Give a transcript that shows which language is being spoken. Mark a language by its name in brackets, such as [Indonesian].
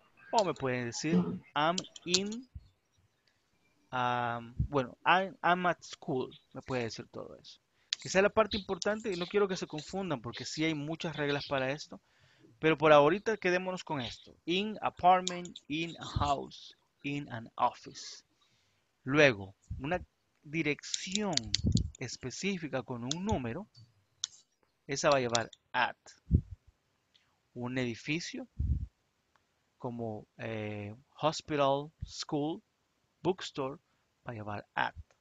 [Spanish] O me puede decir, [English] I'm in, [Spanish] bueno, [English] I'm at school. [Spanish] Me puede decir todo eso. Quizá la parte importante, y no quiero que se confundan, porque sí hay muchas reglas para esto, pero por ahorita quedémonos con esto. [English] In apartment, in a house, in an office. [Spanish] Luego, una dirección específica con un número, esa va a llevar at. Un edificio, como hospital, school, bookstore, va a llevar at.